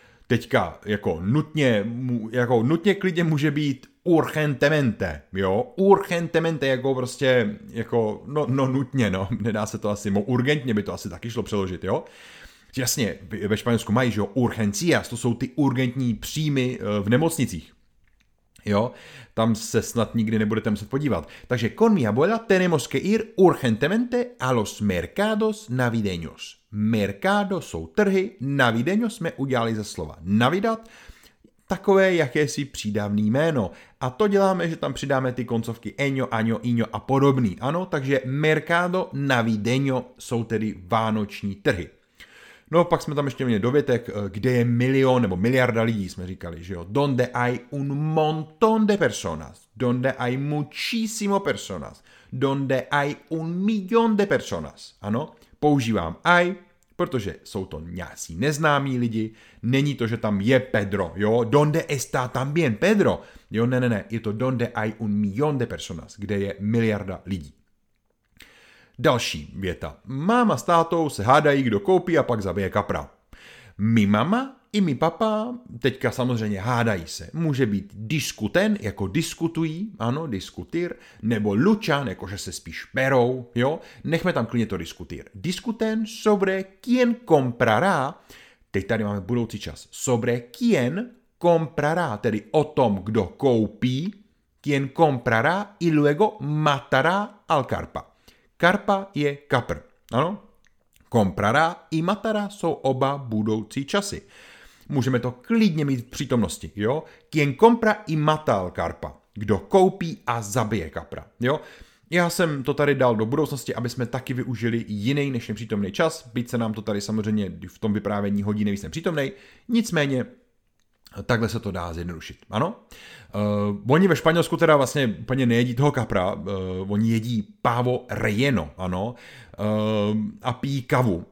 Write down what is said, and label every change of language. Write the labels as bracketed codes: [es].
[cs] Teďka jako nutně klidně může být urgentemente, jo, urgentemente, jako prostě, jako, no nutně, no, nedá se to asi, urgentně by to asi taky šlo přeložit, jo. Jasně, ve Španělsku mají, že jo, urgencias, to jsou ty urgentní příjmy v nemocnicích, jo, tam se snad nikdy nebudete muset podívat. [es] Takže con mi abuela tenemos que ir urgentemente a los mercados navideños. [cs] Mercado jsou trhy, navideño jsme udělali ze slova navidad, takové jakési přídavné jméno. A to děláme, že tam přidáme ty koncovky eño, año, iño a podobný. Ano, takže mercado navideño jsou tedy vánoční trhy. No pak jsme tam ještě měli dovětek, kde je milion nebo miliarda lidí, jsme říkali, že jo. [es] Donde hay un montón de personas. Donde hay muchísimo personas. Donde hay un millón de personas. [cs] Ano, používám hay, protože jsou to nějací neznámí lidi, není to, že tam je Pedro, jo, [es] donde está también Pedro, [cs] jo, ne, je to [es] donde hay un millón de personas, [cs] kde je miliarda lidí. Další věta. Máma s tátou se hádají, kdo koupí a pak zabije kapra. [es] Mi mama i mi papa [cs] teďka samozřejmě hádají se. Může být diskuten, jako diskutují, ano, diskutir, nebo luchan, jako že se spíš perou, jo? Nechme tam klidně to diskutir. [es] Diskuten sobre quién comprará, [cs] teď tady máme budoucí čas, [es] sobre quién comprará, [cs] tedy o tom, kdo koupí, [es] quién comprará y luego matará al carpa. [cs] Carpa je kapr, ano? Comprará i matará jsou oba budoucí časy. Můžeme to klidně mít v přítomnosti, jo? [es] Quien compra y mata al carpa. [cs] Kdo koupí a zabije kapra, jo? Já jsem to tady dal do budoucnosti, aby jsme taky využili jiný než nepřítomný čas, byť se nám to tady samozřejmě v tom vyprávění hodí nejvíc nepřítomnej, nicméně takhle se to dá zjednodušit, ano? Oni ve Španělsku teda vlastně úplně nejedí toho kapra, oni jedí pavo relleno, ano? A pijí kavu.